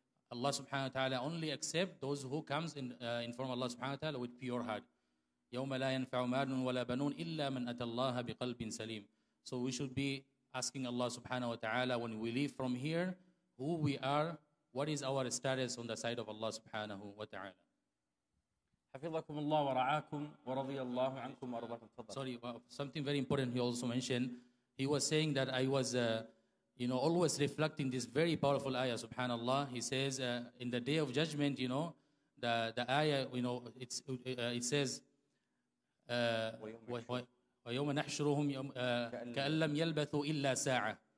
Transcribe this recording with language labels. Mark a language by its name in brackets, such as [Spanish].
[English] Allah subhanahu wa ta'ala only accept those who comes in front of Allah subhanahu wa ta'ala with pure heart. [Arabic] يَوْمَ لَا يَنْفَعُ مَالٌ وَلَا بَنُونَ إِلَّا مَنْ أَتَى اللَّهَ بِقَلْبٍ سَلِيمٍ. [English] So we should be asking Allah subhanahu wa ta'ala when we leave from here, who we are, what is our status on the side of Allah subhanahu wa ta'ala. [Arabic] حفظكم الله ورعاكم ورضي الله عنكم وارضاكم. [English] Sorry, something very important he also mentioned. He was saying that I was, you know, always reflecting this very powerful ayah, subhanallah. He says, in the day of judgment, you know, the ayah, you know, it's, it says, [Arabic] وَيَوْمَ نَحْشُرُهُمْ كَأَنْ لَمْ يَلْبَثُوا إِلَّا سَاعَةً.